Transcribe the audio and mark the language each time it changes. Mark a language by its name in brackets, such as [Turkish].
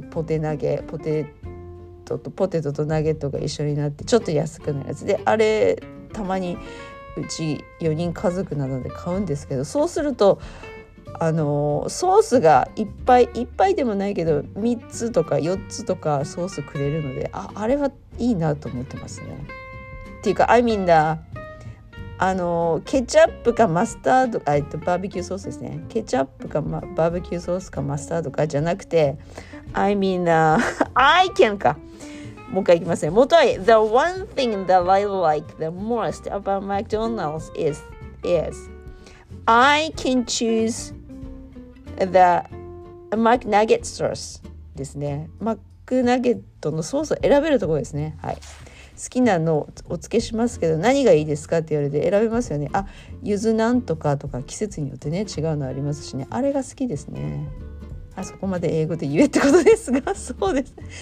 [Japanese] ポテナゲ、ポテトとナゲットが一緒になってちょっと安くなるやつで、あれたまにうち4人家族なので買うんですけど、そうするとソースがいっぱいいっぱいでもないけど3つとか4つとかソースくれるので、あれはいいなと思ってますね。っていうか I mean the ケチャップかマスタード、バーベキューソースですね。ケチャップか、バーベキューソースかマスタードかじゃなくて、 I mean, I can か。もう一回いきますね。もとい。 [English] The one thing that I like the most about McDonald's is I can choose the McNugget sauce ですね。 [Japanese] マックナゲットのソースを選べるところですね。はい。好きなのをお付けしますけど、何がいいですかって言われて選べますよね。あ、柚子なんとかとか季節によってね、違うのありますしね。あれが好きですね。あそこまで英語で言えってことですが、そうです。